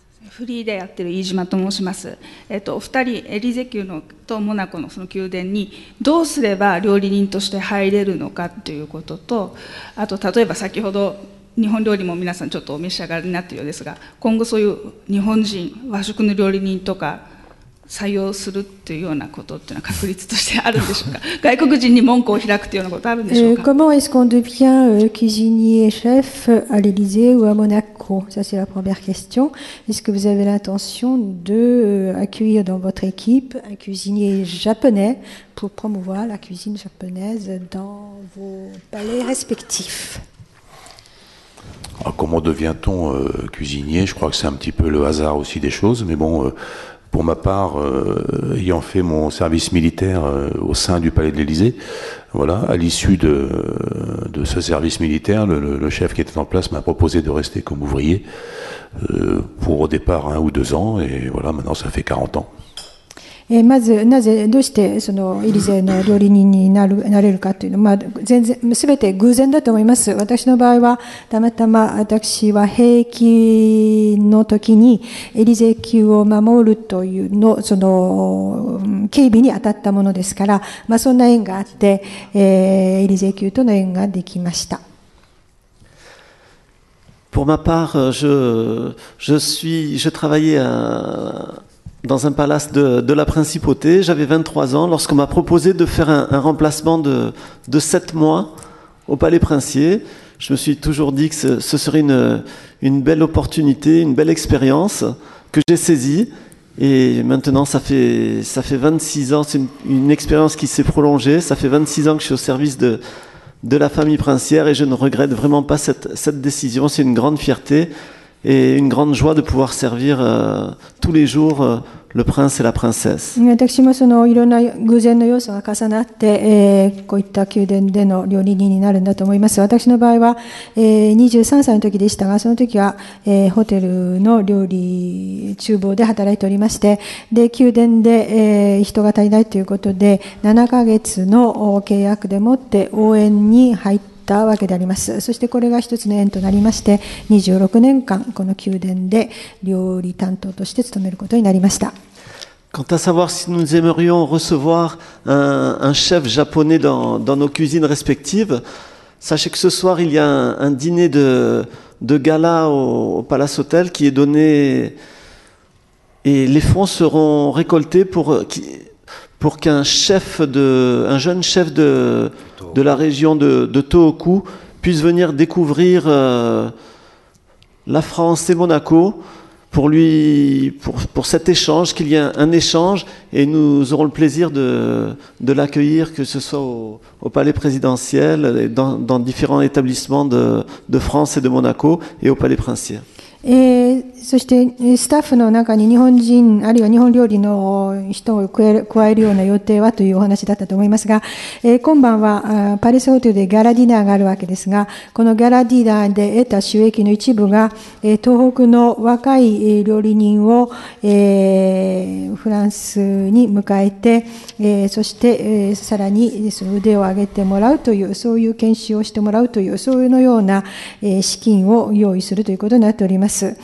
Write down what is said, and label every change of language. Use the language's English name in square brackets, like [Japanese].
[Japanese] フリーでやってる飯島と申します。お二人エリゼ宮のとモナコのその宮殿にどうすれば料理人として入れるのかということと、あと例えば先ほど日本料理も皆さんちょっとお召し上がりになっているようですが、今後そういう日本人和食の料理人とか採用するというようなことというのは確率としてあるんでしょうか。外国人に門戸を開くというようなことあるんでしょうか。 [French] Comment est-ce qu'on devient cuisinier chef à l'Élysée ou à Monaco ? Ça c'est la première question. Est-ce que vous avez l'intention de accueillir dans votre équipe un cuisinier japonais pour promouvoir la cuisine japonaise dans vos palais respectifs ? Alors, comment devient-on cuisinier ? Je crois que c'est un petit peu le hasard aussi des choses, mais bon. Pour ma part, ayant fait mon service militaire au sein du palais de l'Élysée, voilà, à l'issue de ce service militaire, le chef qui était en place m'a proposé de rester comme ouvrier pour au départ un ou deux ans, et voilà, maintenant ça fait 40 ans. [Japanese] まずなぜどうしてそのイリゼの料理人になる、なれるかというのは、まあ、全然全て偶然だと思います。私の場合はたまたま私は兵役の時にエリゼ宮を守るというのその警備に当たったものですから、まあ、そんな縁があって、エリゼ宮との縁ができました。 [French] Pour ma part, je travaillais dans un palace de la principauté. J'avais 23 ans lorsqu'on m'a proposé de faire un remplacement de 7 mois au palais princier. Je me suis toujours dit que ce serait une belle opportunité, une belle expérience que j'ai saisie. Et maintenant, ça fait 26 ans, c'est une expérience qui s'est prolongée. Ça fait 26 ans que je suis au service de la famille princière et je ne regrette vraiment pas cette décision. C'est une grande fierté et une grande joie de pouvoir servir tous les jours le prince et la princesse. [Japanese] 私もそのいろんな偶然の要素が重なって、こういった宮殿での料理人になるんだと思います。私の場合は、23歳の時でしたが、その時は、ホテルの料理厨房で働いておりまして、で宮殿で、人が足りないということで、7ヶ月の契約でもって応援に入ったわけであります。そしてこれが一つの縁となりまして、26年間この宮殿で料理担当として務めることになりました。 [French] Quant à savoir si nous aimerions recevoir un chef japonais dans nos cuisines respectives, sachez que ce soir il y a un dîner de gala au Palace Hotel qui est donné et les fonds seront récoltés pour qu'un chef un jeune chef de la région de Tohoku puisse venir découvrir la France et Monaco. Pour lui, pour cet échange, qu'il y ait un échange, et nous aurons le plaisir de l'accueillir, que ce soit au palais présidentiel, et dans différents établissements de France et de Monaco, et au palais princier. [Japanese] そしてスタッフの中に日本人あるいは日本料理の人を加えるような予定はというお話だったと思いますが、今晩はパレスホテルでギャラディナーがあるわけですが、このギャラディナーで得た収益の一部が東北の若い料理人をフランスに迎えて、そしてさらにその腕を上げてもらうという、そういう研修をしてもらうという、そういうような資金を用意するということになっております。